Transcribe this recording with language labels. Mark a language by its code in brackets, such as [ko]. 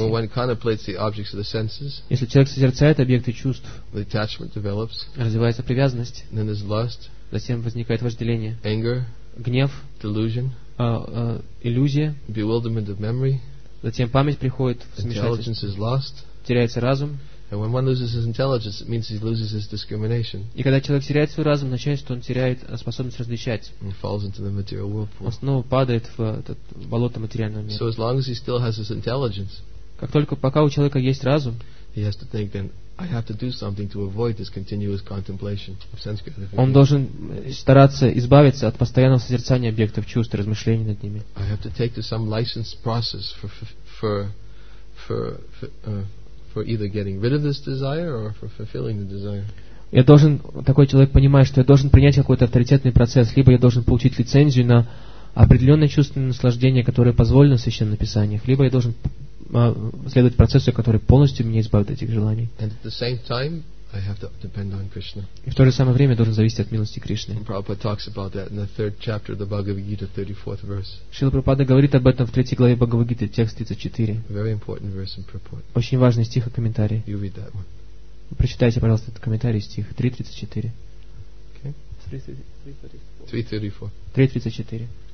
[en] Well, when contemplates the objects of the senses. [ru] Если человек созерцает объекты чувств. [en] The attachment develops. [ru] Развивается привязанность. [en] Then there's lust. [ru] Затем возникает вожделение. [en] Anger. [ru] Гнев. [en] Delusion. [ru] Иллюзия. [en] Bewilderment of memory. [ru] Затем память приходит в смешательство. Теряется разум. [en] And when one loses his intelligence, it means he loses his discrimination. [ru] И когда человек теряет свой разум, означает, что он теряет способность различать. [en] And falls into the material whirlpool. [ru] Он снова падает в этот болото материального мира. [en] So as long as he still has his intelligence, [ru] как только пока у человека есть разум, [en] he has to think then, I have to do something to avoid this continuous contemplation of sense gratification. [ru] Он должен стараться избавиться от постоянного созерцания объектов чувств и размышлений над ними. [en] I have to take to some licensed process for either getting rid of this desire or for fulfilling the desire. [ru] Я должен, такой человек понимает, что я должен принять какой-то авторитетный процесс, либо я должен получить лицензию на определенное чувственное наслаждение, которое позволено в священных писаниях, либо я должен следовать процессу, который полностью меня избавит от этих желаний. [en] And at the same time, I have to depend on Krishna. [ru] И в то же самое время я должен зависеть от милости Кришны. [en] Prabhupada talks about that in the third chapter of the Bhagavad Gita, 34th verse. [ru] Шрила Прабхупада говорит об этом в третьей главе Бхагавад Гиты, текст 34. [en] Very important verse in purport. [ru] Очень важный стих и комментарий. [en] You read that one. [ru] Прочитайте, пожалуйста, этот комментарий, стих 3:34. [en] Okay. 3:34.